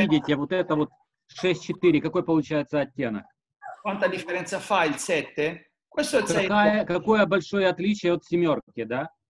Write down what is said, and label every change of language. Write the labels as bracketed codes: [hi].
[ru] Видите, вот это вот 6.4, какой получается оттенок? [it] Quanta differenza fa il 7? Questo è il 6. [ru] Какое большое отличие от семерки, да?